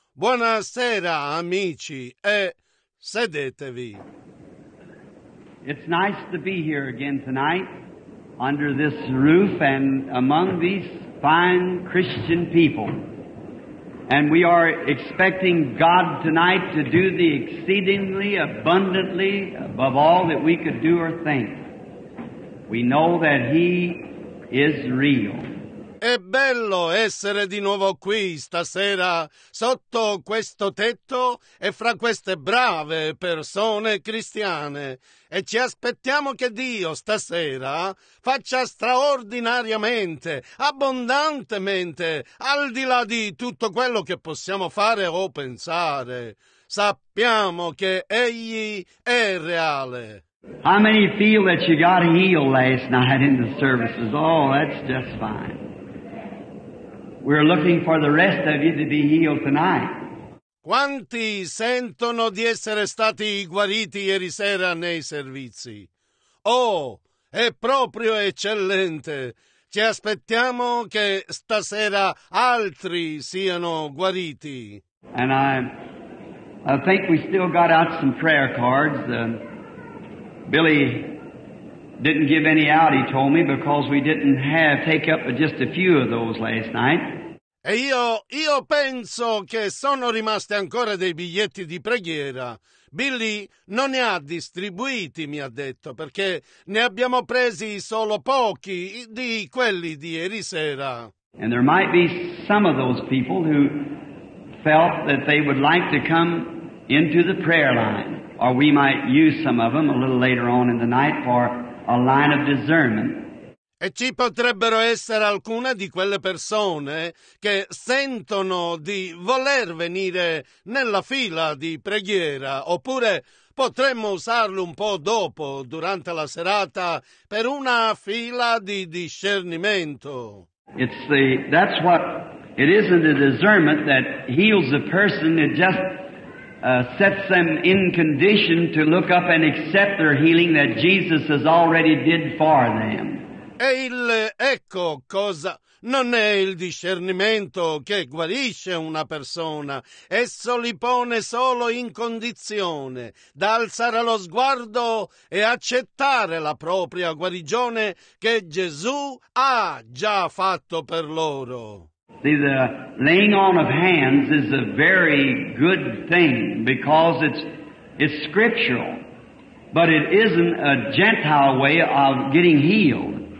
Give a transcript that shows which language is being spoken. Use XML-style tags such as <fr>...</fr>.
<it>Buonasera, amici, e sedetevi.</it> <en>It's nice to be here again tonight under this roof and among these fine Christian people. And we are expecting God tonight to do the exceedingly abundantly above all that we could do or think. We know that He is real.</en> <it>È bello essere di nuovo qui stasera sotto questo tetto e fra queste brave persone cristiane e ci aspettiamo che Dio stasera faccia straordinariamente, abbondantemente, al di là di tutto quello che possiamo fare o pensare. Sappiamo che Egli è reale.</it> <en>How many feel that you got healed last night in the services? Oh, that's just fine. We're looking for the rest of you to be healed tonight.</en> <it>Quanti sentono di essere stati guariti ieri sera nei servizi? Oh, è proprio eccellente. Ci aspettiamo che stasera altri siano guariti.</it> <en>And I think we still got out some prayer cards. Billy didn't give any out, he told me, because we didn't take up just a few of those last night.</en> <it>E io penso che sono rimasti ancora dei biglietti di preghiera. Billy non ne ha distribuiti, mi ha detto, perché ne abbiamo presi solo pochi di quelli di ieri sera.</it> <en>And there might be some of those people who felt that they would like to come into the prayer line, or we might use some of them a little later on in the night for a line of discernment.</en> <it>E ci potrebbero essere alcune di quelle persone che sentono di voler venire nella fila di preghiera, oppure potremmo usarlo un po' dopo, durante la serata, per una fila di discernimento.</it> <en>That's what it is in the discernment that heals a person. It just sets them in condition to look up and accept their healing that Jesus has already did for them.</en> <it>E il ecco cosa non è il discernimento che guarisce una persona, esso li pone solo in condizione da alzare lo sguardo e accettare la propria guarigione che Gesù ha già fatto per loro.</it> <en>See, the laying on of hands is a very good thing because it's scriptural, but it isn't a Gentile way of getting healed.</en>